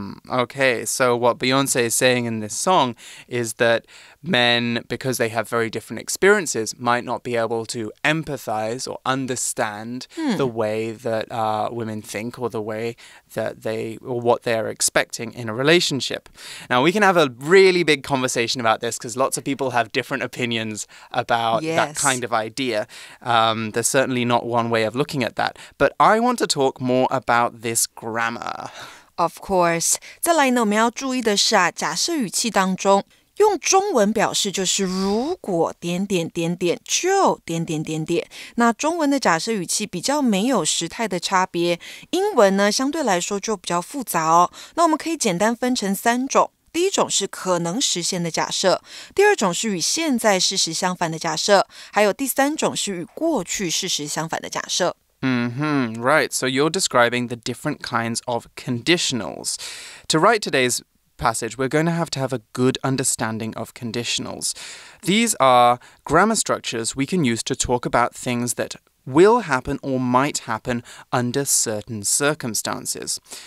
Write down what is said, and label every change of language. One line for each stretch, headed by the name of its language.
English: Okay, so what Beyoncé is saying in this song is that men, because they have very different experiences, might not be able to empathize or understand the way that women think or the way that they, or what they're expecting in a relationship. Now, we can have a really big conversation about this because lots of people have different opinions about yes. that kind of idea. There's certainly not one way of looking at that. But I want to talk more about this grammar. Of course.
Chinese: 再来呢，我们要注意的是啊，假设语气当中用中文表示就是如果点点点点就点点点点。那中文的假设语气比较没有时态的差别，英文呢相对来说就比较复杂哦。那我们可以简单分成三种。第一种是可能实现的假设，第二种是与现在事实相反的假设，还有第三种是与过去事实相反的假设。
English: Mm-hmm, right. So you're describing the different kinds of conditionals. To write today's passage, we're going to have a good understanding of conditionals. These are grammar structures we can use to talk about things that will happen or might happen under certain circumstances.